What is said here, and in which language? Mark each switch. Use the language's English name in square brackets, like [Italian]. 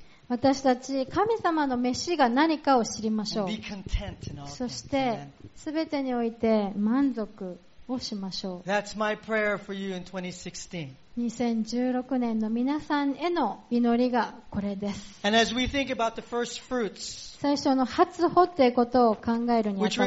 [Japanese] 私たち神様の召しが何かを知りましょう。そしてすべてにおいて満足をしましょう。 [English] That's my prayer for you in 2016. [Japanese] 2016年の皆さんへの祈りがこれです。 [English] And as we think about the first fruits, [Japanese] 最初の初穂ということを考えるにあたって、